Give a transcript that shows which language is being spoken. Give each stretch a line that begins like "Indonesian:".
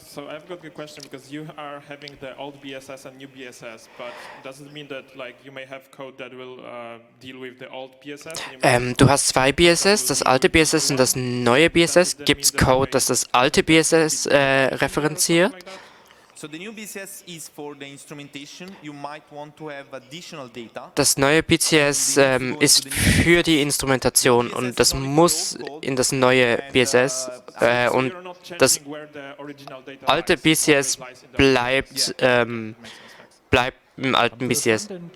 English: So I've got a question, because you are having the old BSS and new BSS, but does it mean that, like, you may have code that will deal with the old BSS?
German: Du hast zwei BSS, das alte BSS und das neue BSS. Gibt's Code, dass das alte BSS referenziert?
English: So the new BSS is for the instrumentation. You might want to have additional data.
German: Das neue BCS ist für die Instrumentation, und das muss in das neue BSS, und das alte BCS bleibt im alten BCS.